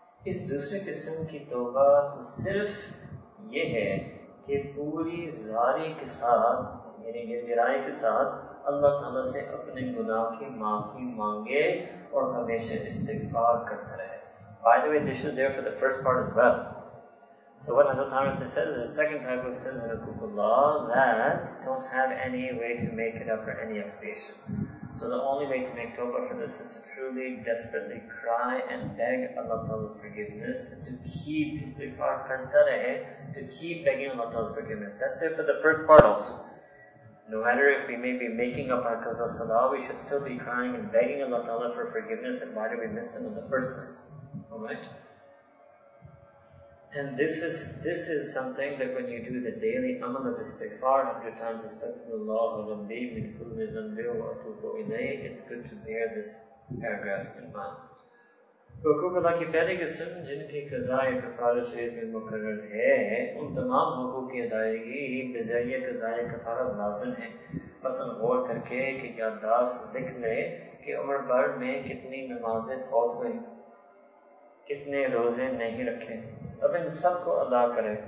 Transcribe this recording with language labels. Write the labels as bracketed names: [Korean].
[Urdu] اس دوسرے قسم کی توبہ تو صرف یہ ہے کہ پوری زاری کے ساتھ یعنی گرگرائے کے ساتھ اللہ تعالیٰ سے اپنے گناہ کی معافی مانگے اور ہمیشہ استغفار کرتا رہے. [English] By the way, this is there for the first part as well. So what Hazrat Tariq has said is the second type of sins in the Hukuk Allah that don't have any way to make it up or any expiation. So the only way to make tawbah for this is to truly, desperately cry and beg Allah Ta'ala's forgiveness and to keep istighfar [Urdu] karta rahe, [English] to keep begging Allah Ta'ala's forgiveness. That's there for the first part also. No matter if we may be making up our qaza salah, we should still be crying and begging Allah Ta'ala for forgiveness, and why did we miss them in the first place? Alright? And this is something that when you do the daily amal of istighfar 100 times, [Arabic] astaghfirullah wa rabbi min kulli dhanbi wa atubu ilayh, [English] it's good to bear this paragraph in mind. [Urdu] حقوق اللہ کی پہلی قسم جن کی قضاء یا کفارہ شریعت میں مقرر ہے ان تمام حقوق کی ادائیگی ہی بذریعہ قضاء یا کفارہ لازم ہے. مثلا غور کر کے کہ کیا داس دکھ لے کہ عمر بھر میں کتنی نمازیں فوت ہوئیں, کتنے روزے نہیں رکھے, اب ان سب کو ادا کرے.